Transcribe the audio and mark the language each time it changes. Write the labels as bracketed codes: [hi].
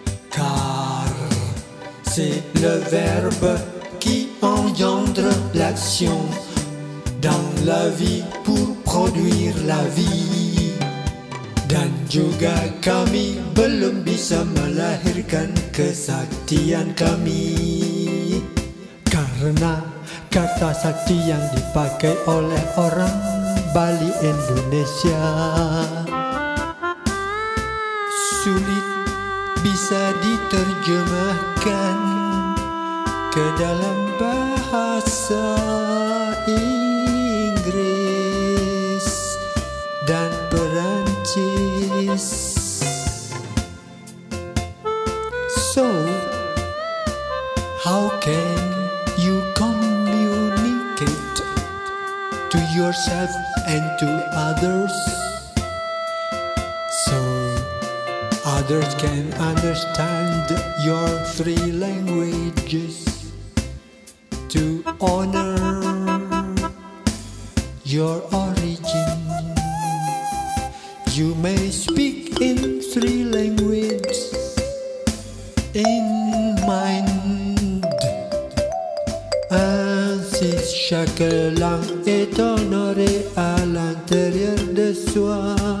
[fr] Car c'est le verbe qui engendre l'action dans la vie pour produire la vie. [id] Dan juga kami belum bisa melahirkan kesaktian kami. Karena kata sakti yang dipakai oleh orang Bali Indonesia sulit bisa diterjemahkan ke dalam bahasa Inggris dan Perancis. [en] So, how can you communicate to yourself and to others so others can understand your three languages, to honor your origin? You may speak in three languages in mind. [fr] Ainsi chaque langue est honorée à l'intérieur de soi.